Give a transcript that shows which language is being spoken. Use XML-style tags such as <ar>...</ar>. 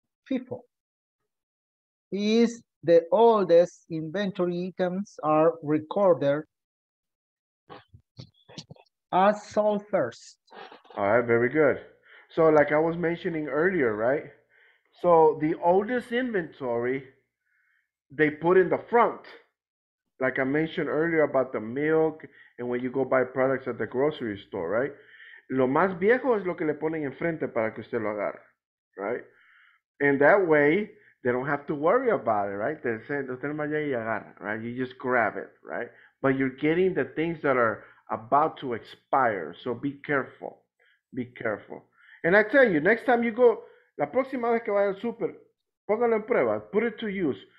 <en>FIFO is the oldest inventory items are recorded as sold first. All right, very good. So like I was mentioning earlier, right? So the oldest inventory, they put in the front. Like I mentioned earlier about the milk and when you go buy products at the grocery store, right?</en> <es>Lo más viejo es lo que le ponen enfrente para que usted lo agarre, right?</es> <en>And that way, they don't have to worry about it, right? They say,</en> <es>usted no vaya y agarre,</es> <en>right? You just grab it, right? But you're getting the things that are about to expire. So be careful. Be careful. And I tell you, next time you go,</en> <es>la próxima vez que vaya al super, póngalo en prueba.</es> <en>Put it to use.</en>